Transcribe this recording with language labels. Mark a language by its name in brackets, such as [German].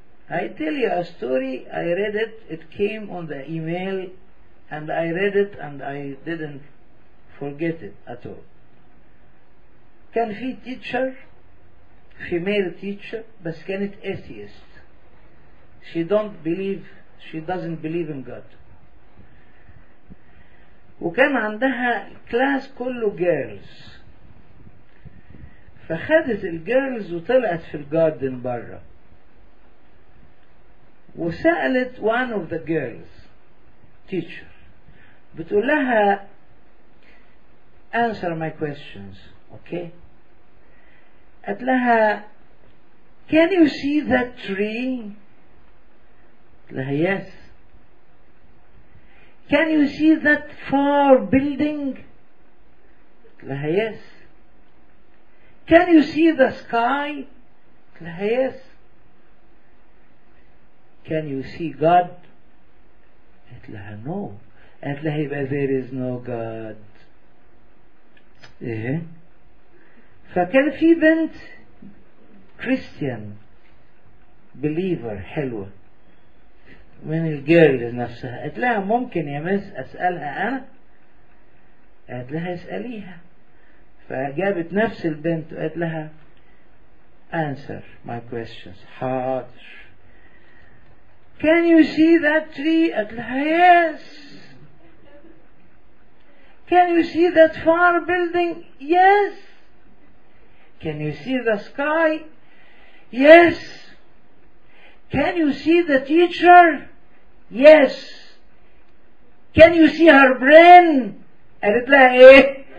[English] I tell you a story, I read it, it came on the email, and I read it and I didn't forget it at all. [Arabic] كان في [English] teacher, female teacher, [Arabic] بس كانت atheist. [English] She doesn't believe in God. [Arabic] وكان عندها class كله girls. فخدت الgirls وطلعت في الgarden برا. [English] وسألت one of the girls, teacher, [Arabic] بتقول لها [English] answer my questions, okay? [Arabic] قالت لها [English] can you see that tree? [Arabic] قالت لها [English] yes. Can you see that far building? [Arabic] قالت لها [English] yes. Can you see the sky? [Arabic] قالت لها [English] yes. Can you see God? [Arabic] قالت لها [English] no. قالت لها يبقى there is no God. [Arabic] إيه؟ فكان في بنت [English] Christian believer [Arabic] حلوة من الجيرل نفسها. قالت لها ممكن يا مس أسألها أنا؟ قالت لها اسأليها. فجابت نفس البنت وقالت لها [English] answer my questions. [Arabic] حاضر. [English] Can you see that tree? [Arabic] قالت لها [English] yes. Can you see that far building? Yes. Can you see the sky? Yes. Can you see the teacher? Yes. Can you see her brain? And it's like, eh?